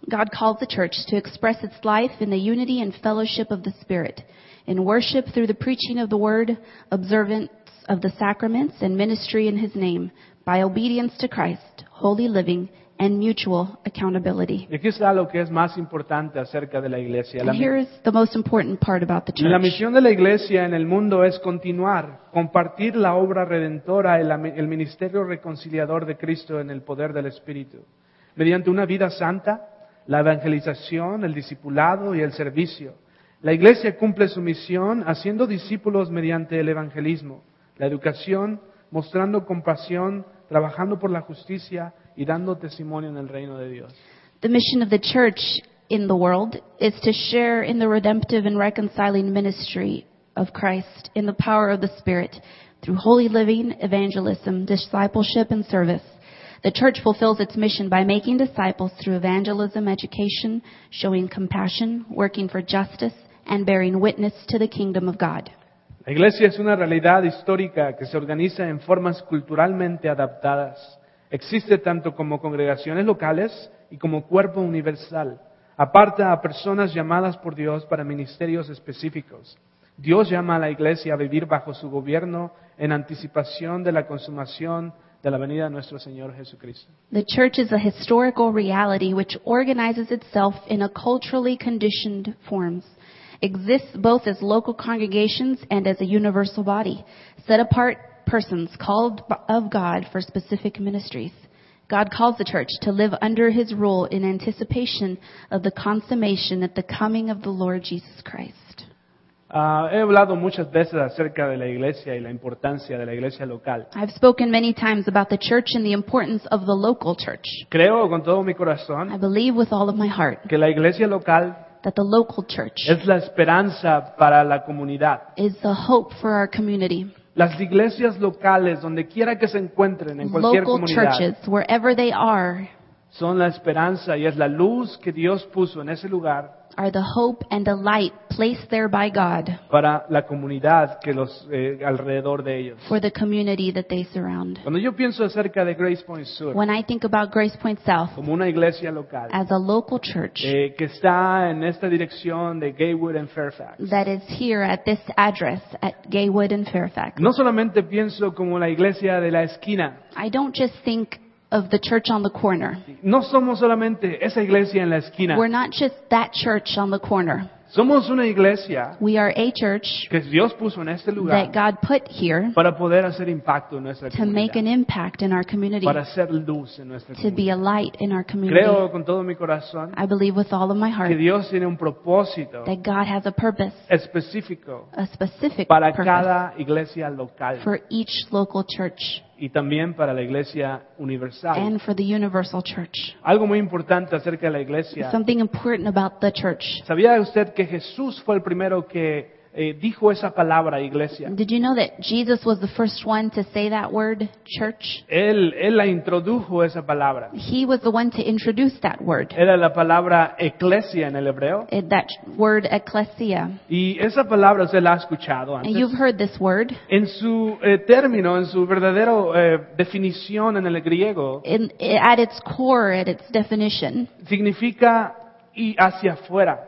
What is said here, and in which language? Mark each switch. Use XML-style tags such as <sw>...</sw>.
<en>God calls the church to express its life in the unity and fellowship of the Spirit, in worship through the preaching of the word, observance of the sacraments and ministry in his name, by obedience to Christ, holy living, and mutual accountability.</en> <es>Y aquí está lo que es más importante acerca de la iglesia.</es> <en>And here is the most important part about the church.</en> <es>La misión de la iglesia en el mundo es continuar, compartir la obra redentora, el ministerio reconciliador de Cristo en el poder del Espíritu. mediante una vida santa, la evangelización, el discipulado y el servicio. La iglesia cumple su misión haciendo discípulos mediante el evangelismo, la educación, mostrando compasión, trabajando por la justicia y dando testimonio en el reino de Dios.</es> <en>The mission of the church in the world is to share in the redemptive and reconciling ministry of Christ in the power of the Spirit through holy living, evangelism, discipleship, and service. The church fulfills its mission by making disciples through evangelism, education, showing compassion, working for justice, and bearing witness to the kingdom of God.</en> <es>La iglesia es una realidad histórica que se organiza en formas culturalmente adaptadas. Existe tanto como congregaciones locales y como cuerpo universal. Aparta a personas llamadas por Dios para ministerios específicos. Dios llama a la iglesia a vivir bajo su gobierno en anticipación de la consumación de la venida de nuestro Señor Jesucristo.</es> <en>The church is a historical reality which organizes itself in a culturally conditioned forms. Exists both as local congregations and as a universal body, set apart persons called of God for specific ministries. God calls the church to live under his rule in anticipation of the consummation at the coming of the Lord Jesus Christ.</en> <es>He hablado muchas veces acerca de la iglesia y la importancia de la iglesia local.</es> <en>I've spoken many times about the church and the importance of the local church.</en> <es>Creo con todo mi corazón.</es> <en>I believe with all of my heart.</en> <es>Que la iglesia local</es> <en>that the local church</en> <es>es la esperanza para la comunidad.</es> <en>Is the hope for our community.</en> <es>Las iglesias locales, donde quiera que se encuentren en cualquier</es> <en>local</en> <es>comunidad,</es> <en>churches, wherever they are,</en> <es>son la esperanza y es la luz que Dios puso en ese lugar,</es> <en>are the hope and the light placed there by God</en> <es>para la comunidad que los alrededor de ellos.</es> <en>For the community that they surround.</en> <es>Cuando yo pienso acerca de Grace Point Sur,</es> <en>when I think about Grace Point South,</en> <es>como una iglesia local,</es> <en>as a local church,</en> <es>que está en esta dirección de Gaywood and Fairfax,</es> <en>that is here at this address at Gaywood and Fairfax,</en> <es>no solamente pienso como la iglesia de la esquina.</es> <en>I don't just think of the church on the corner.</en> <es>No somos solamente esa iglesia en la esquina.</es> <en>We're not just that church on the corner.</en> <es>Somos una iglesia.</es> <en>We are a church</en> <es>que Dios puso en este lugar</es> <en>that God put here</en> <es>para poder hacer impacto en nuestra comunidad.</es> <en>To make an impact in our community.</en> <es>Para hacer luz en nuestra comunidad.</es> <en>To be a light in our community.</en> <es>Creo con todo mi corazón.</es> <en>I believe with all of my heart</en> <es>que Dios tiene un propósito.</es> <en>That God has a purpose.</en> <es>Específico.</es> <en>A specific</en> <es>para</es> <en>purpose</en> <es>cada iglesia local.</es> <en>For each local church.</en> <es>Y también para la iglesia universal.</es> <en>And for the universal church.</en> <es>Algo muy importante acerca de la iglesia.</es> <en>Something important about the church.</en> <es>¿Sabía usted que Jesús fue el primero que dijo esa palabra iglesia?</es> <en>Did you know that Jesus was the first one to say that word, church?</en> <es>Él la introdujo esa palabra.</es> <en>He was the one to introduce that word.</en> <es>Era la palabra eclesia en el hebreo.</es> <en>That word eclesia.</en> <es>Y esa palabra usted la ha escuchado antes.</es> <en>And you've heard this word.</en> <es>En su término, en su verdadero definición en el griego.</es> <en>At its core, at its definition.</en> <es>Significa y hacia afuera.</es>